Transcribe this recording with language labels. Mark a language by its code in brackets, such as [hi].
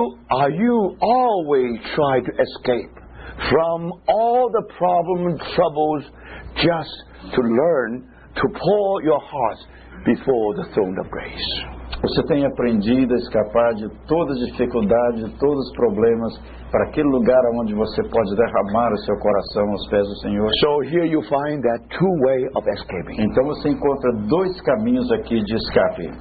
[en] Are you always trying to escape from all the problems and troubles just to learn to pour your heart before the throne of grace? [pt] Você tem aprendido a escapar de todas as dificuldades, de todos os problemas, para aquele lugar onde você pode derramar o seu coração aos pés do Senhor? [en] So here you find that two way of escaping. [pt] Então você encontra dois caminhos aqui de escape.